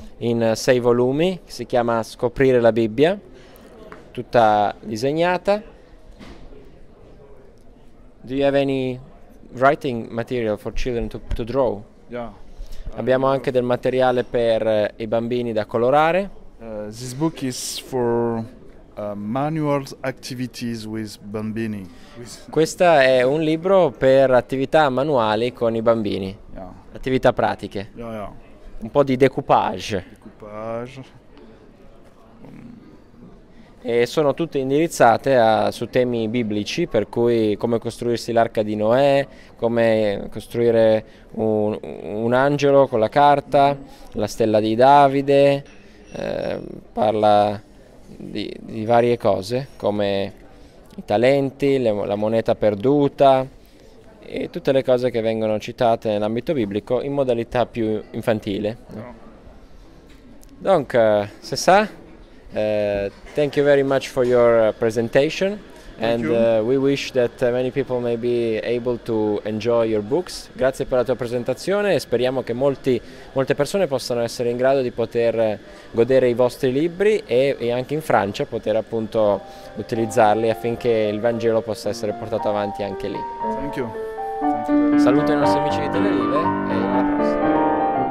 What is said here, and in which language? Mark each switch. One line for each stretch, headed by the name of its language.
Italian: in 6 volumi, che si chiama Scoprire la Bibbia, tutta disegnata.
English: Do you have any writing material for children to draw? And
Italian: Abbiamo
English: you
Italian: anche
English: have
Italian: del materiale per i bambini da colorare.
English: this book is for manual activities with bambini.
Italian: Questa è un libro per attività manuali con i bambini.
English: Yeah.
Italian: Attività pratiche.
English: Yeah, yeah.
Italian: Un po' di decoupage. Decoupage. E sono tutte indirizzate su temi biblici, per cui come costruirsi l'arca di Noè, come costruire un angelo con la carta, la stella di Davide, parla di varie cose, come i talenti, la moneta perduta e tutte le cose che vengono citate nell'ambito biblico in modalità più infantile. No.
French: Donc, se sa...
English: thank you very much for your presentation. Thank you. We wish that many people may be able to enjoy your books.
Italian: Grazie per la tua presentazione e speriamo che molte persone possano essere in grado di poter godere i vostri libri e anche in Francia poter appunto utilizzarli affinché il Vangelo possa essere portato avanti anche lì.
English: Thank you.
Italian: Saluto i nostri amici di Tel Aviv e alla prossima.